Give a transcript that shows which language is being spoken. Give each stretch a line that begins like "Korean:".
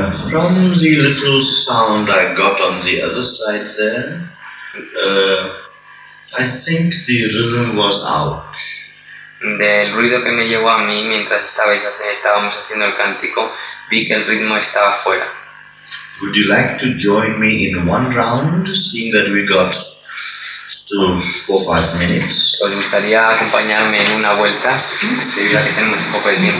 English: From the little sound I got on the other side there, I think the rhythm was out.
Spanish: Del ruido que me llegó a mí mientras estábamos haciendo el cántico, vi que el ritmo estaba fuera.
English: Would you like to join me in one round, seeing that we got still 4 or 5 minutes?
Spanish: ¿Os gustaría acompañarme en una vuelta, debido a que tenemos un poco de tiempo?